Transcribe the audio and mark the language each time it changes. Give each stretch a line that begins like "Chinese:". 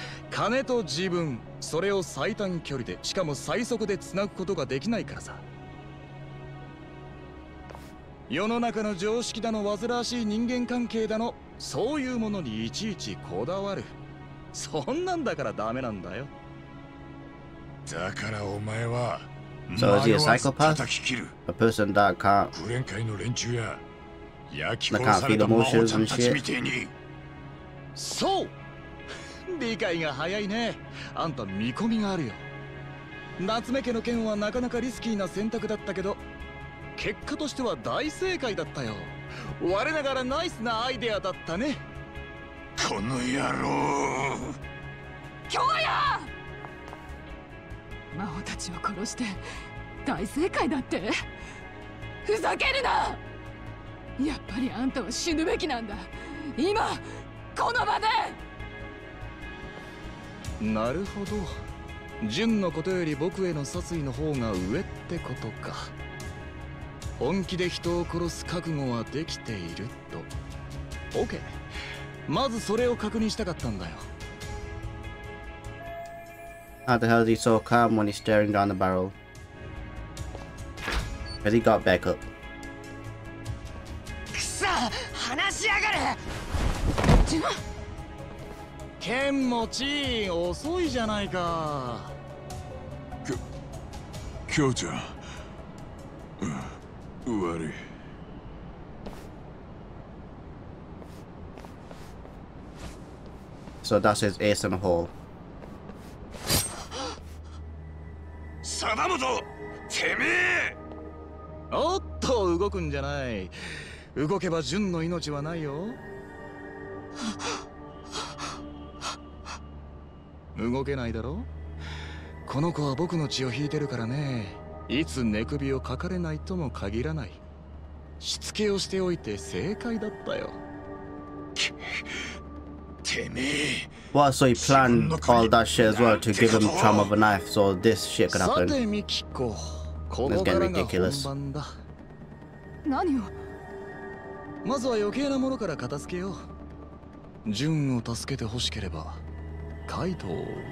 Japanese: 金と自分、それを最短距離で、しかも最速でつなぐことができないからさ。世の中の常識だの、煩わしい人間関係だの、そういうものにいちいちこだわる。そんなんだからダメなんだよ。だからお前は、
English: So is he a psychopath? A person that can't feel emotions and shit?
Japanese: そう、理解が早いね。あんた見込みがあるよ。夏目家の件はなかなかリスキーな選択だったけど、結果としては大正解だったよ。我ながらナイスなアイデアだったね。この野郎、今日や魔王たちを殺して大正解だって、ふざけるな。やっぱりあんたは死ぬべきなんだ、今この場で。なるほど、純のことより僕への殺意の方が上ってことか。本気で人を殺す覚悟はできていると。 OK、 まずそれを確認したかったんだよ。
English: How the hell is he so calm when he's staring down the barrel? Has he got backup?
Japanese: くそ、話しやがる。剣持ち、遅いじゃないか。京ちゃん、悪い。
English: So that's his ace in the hole.
Japanese: 貞本、てめえ。おっと、動くんじゃない。動けば純の命はないよ。動けないだろ。この子は僕の血を引いてるからね。いつ寝首をかかれないとも限らない。しつけをしておいて正解だったよ。
English: Well, so he planned all that shit as well to give him the trauma of a knife so this shit could happen. It's getting ridiculous. What? First, I'll clean up the rest of the thing. If you want to help Jun, shoot Kaito.